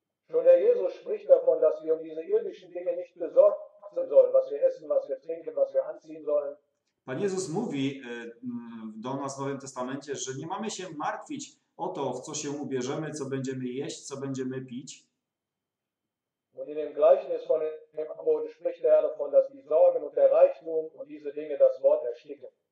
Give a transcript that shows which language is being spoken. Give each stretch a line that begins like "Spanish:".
German: Schon der Jesus spricht davon, dass wir um diese irdischen Dinge nicht besorgt sein sollen, was wir essen, was wir trinken, was wir anziehen sollen.
Polish: Pan Jezus mówi do nas w Nowym Testamencie, że nie mamy się martwić o to, w co się ubierzemy, co będziemy jeść, co będziemy pić.
German: Und in dem Gleichnis von dem Amor spricht der Herr davon, dass die Sorgen und der Reichtum und diese Dinge das Wort ersticken.